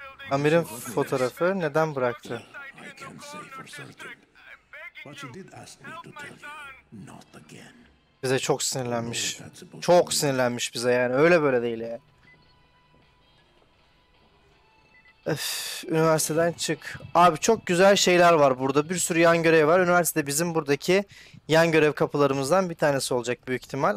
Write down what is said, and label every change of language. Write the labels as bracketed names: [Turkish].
[Turkish] Amir'in fotoğrafı neden bıraktı? [English] I can't say for certain. But she did ask me to tell you. Not again. [Turkish] Bize çok sinirlenmiş. Çok sinirlenmiş bize yani. Öyle böyle değil ya. Öf, üniversiteden çık. Abi çok güzel şeyler var burada. Bir sürü yan görev var. Üniversite bizim buradaki yan görev kapılarımızdan bir tanesi olacak büyük ihtimal.